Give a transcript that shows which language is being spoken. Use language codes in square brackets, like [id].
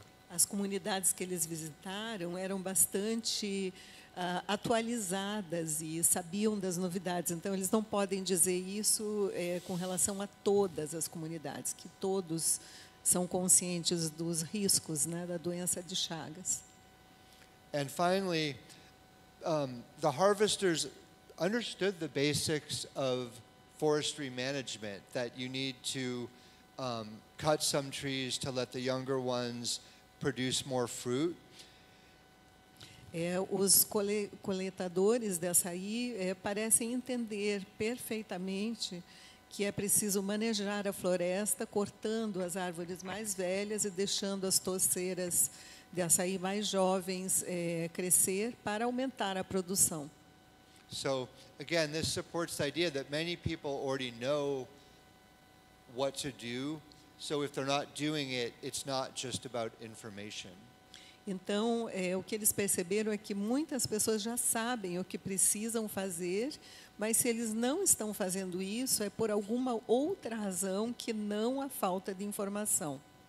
[pt] As comunidades que eles visitaram eram bastante atualizadas e sabiam das novidades, então eles não podem dizer isso com relação a todas as comunidades, que todos são conscientes dos riscos, né, da doença de Chagas. [en] And finally, the harvesters understood the basics of forestry management, that you need to cut some trees to let the younger ones produce more fruit. [pt] Os coletadores de açaí parecem entender perfeitamente que é preciso manejar a floresta, cortando as árvores mais velhas e deixando as toceiras de açaí mais jovens crescer para aumentar a produção. [en] So, again, this supports the idea that many people already know what to do, so if they're not doing it, it's not just about information. [pt] Então, o que eles perceberam é que muitas pessoas já sabem o que precisam fazer, mas se eles não estão fazendo isso, é por alguma outra razão que não a falta de informação.